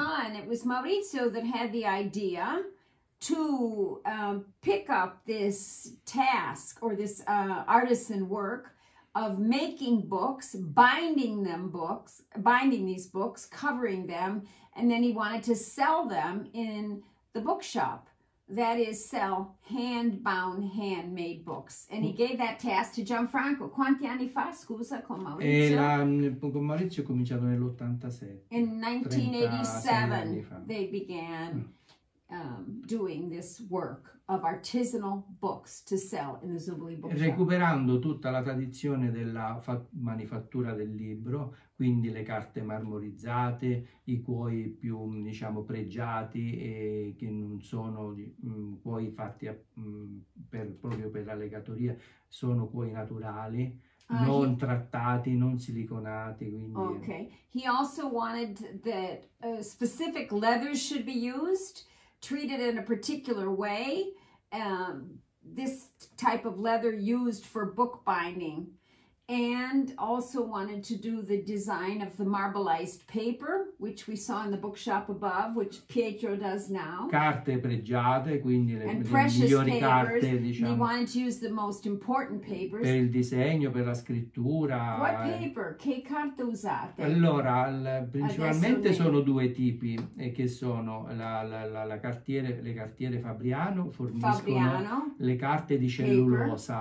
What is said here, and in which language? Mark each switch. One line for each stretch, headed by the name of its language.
English: Ah, and it was Maurizio that had the idea to pick up this task or this artisan work of making books, binding these books, covering them, and then he wanted to sell them in the bookshop. That is, sell hand-bound, handmade books. And he gave that task to Gianfranco.
Italian: Quanti anni fa, scusa, con Maurizio? E con Maurizio ho cominciato nell'87.
English: In 1987 they began doing this work of artisanal books to sell in the Zubboli bookshop.
Italian: Recuperando tutta la tradizione della manifattura del libro, quindi le carte marmorizzate, i cuoi più, diciamo, pregiati, e che non sono cuoi fatti proprio per la legatoria, sono cuoi naturali. non trattati, non siliconati, quindi.
English: Okay. He also wanted that specific leathers should be used, treated in a particular way. This type of leather used for bookbinding. And also wanted to do the design of the marbleized paper, which we saw in the bookshop above, which Pietro does now.
Italian: Carte pregiate, quindi le migliori carte, diciamo.
English: He wanted to use the most important papers.
Italian: Per il disegno, per la scrittura.
English: What paper?
Italian: Che carta usate? Allora, principalmente sono due tipi, che sono le cartiere Fabriano, forniscono le carte di cellulosa.